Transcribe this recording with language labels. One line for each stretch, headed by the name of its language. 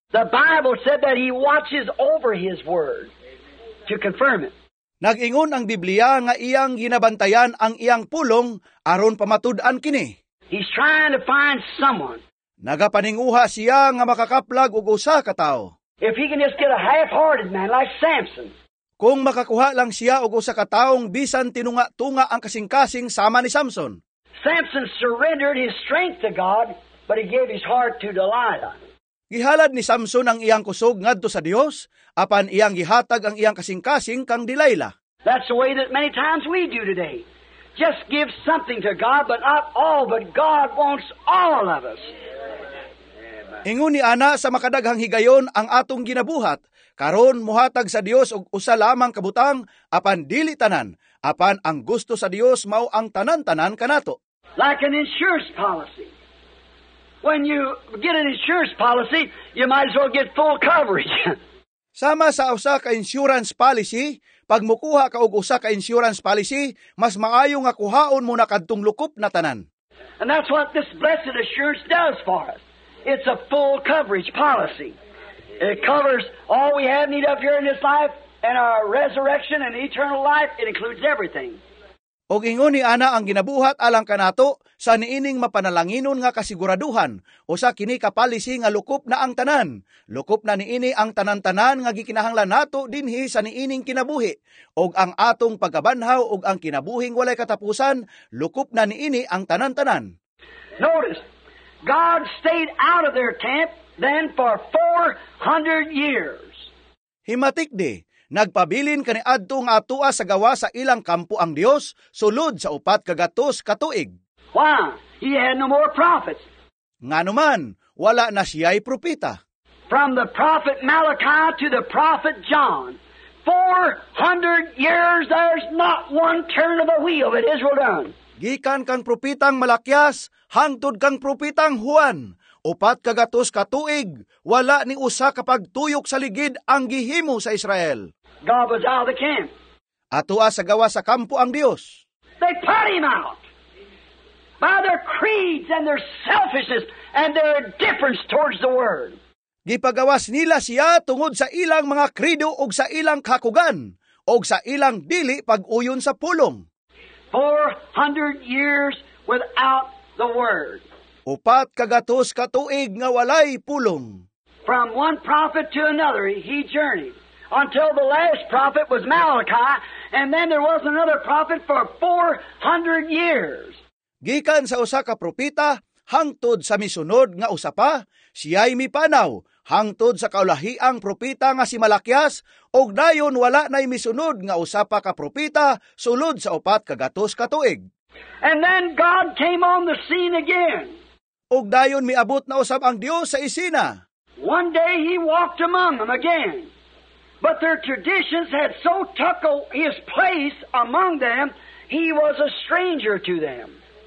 English: The Bible said that he watches over his word to confirm it.
Cebuano: Nag-ingon ang Biblia nga iyang ginabantayan ang iyang pulong aron pamatud-an kini.
English: He's trying to find someone.
Cebuano: Nagapaninguha siya nga makakaplag og usa ka tawo.
English: If he can just get a half-hearted man like Samson.
Cebuano: Kung makakuha lang siya og usa ka tawong bisan tinunga-tunga ang kasing-kasing sama ni Samson.
English: Samson surrendered his strength to God, but he gave his heart to Delilah.
Cebuano: Gihalad ni Samson ang iyang kusog ngadto sa Dios, apan iyang gihatag ang iyang kasing-kasing kang Delilah.
English: That's the way that many times we do today. Just give something to God, but not all, but God wants all of us.
Cebuano: Ingon ni Ana sa makadaghang higayon ang atong ginabuhat, karon muhatag sa Dios og usa lamang kabutang apan dili tanan, apan ang gusto sa Dios mao ang tanan-tanan kanato.
English: Like an insurance policy. When you get an insurance policy, you might as well get full coverage.
Cebuano: Sama sa usa ka
English: insurance policy,
Cebuano: pag mukuha ka og usa ka insurance policy, mas maayo nga kuhaon mo na kadtong lukop na tanan.
English: And that's what this blessed assurance does for us. It's a full coverage policy. It covers all we have need of here in this life and our resurrection and eternal life. It includes everything.
Cebuano: Og ingon ni ana ang ginabuhat alang kanato sa niining mapanalanginon nga kasiguraduhan o sa kini kapalisi nga lukop na ang tanan. Lukop na niini ang tanan-tanan nga gikinahanglan nato dinhi sa niining kinabuhi. Og ang atong pagabanhaw og ang kinabuhing walay katapusan, lukop na niini ang tanan-tanan.
English: Notice, God stayed out of their camp then for 400 years.
Cebuano: Himatik di. Nagpabilin kani adtong atua sa gawa sa ilang kampo ang Dios sulod sa 400 years.
English: Why? He had no more prophets.
Cebuano: Ngano man, wala na siya'y propeta.
English: From the prophet Malachi to the prophet John, 400 years there's not one turn of the wheel that Israel done.
Cebuano: Gikan kang propetang Malakias, hangtod kang propetang Juan. 400 years, wala ni usa kapagtuyok sa ligid ang gihimo sa Israel.
English: God was out of the camp.
Cebuano: Atua sa gawa sa kampo ang Dios.
English: They put him out by their creeds and their selfishness and their indifference towards the word.
Cebuano: Gipagawas nila siya tungod sa ilang mga kredo o sa ilang kakugan o sa ilang dili pag-uyon sa pulong.
English: 400 years without the word.
Cebuano: 400 years nga walay pulong.
English: From one prophet to another, he journeyed until the last prophet was Malachi, and then there was another prophet for 400 years.
Cebuano: Gikan sa usa ka propeta, hangtod sa misunod nga usa pa, siya'y mipanaw, hangtod sa kaulahiang propeta nga si Malakias, og dayon wala na'y misunod nga usa pa ka propeta sulod sa 400 years.
English: And then God came on the scene again.
Cebuano: Og dayon miabot na usab ang Dios sa isina.
English: One day he walked among them again, but their traditions had so took his place among them, he was a stranger to them.